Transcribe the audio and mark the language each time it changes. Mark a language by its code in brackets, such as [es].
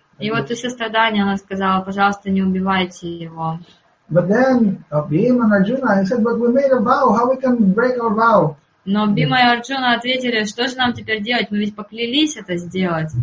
[ru] И вот из сострадания она сказала, пожалуйста, не убивайте его. [en] But then Bhima and Arjuna, I said, but we made a vow, how we can break our vow? [ru] Но Бхима и Арджуна ответили, что же нам теперь делать? Мы ведь поклялись это сделать.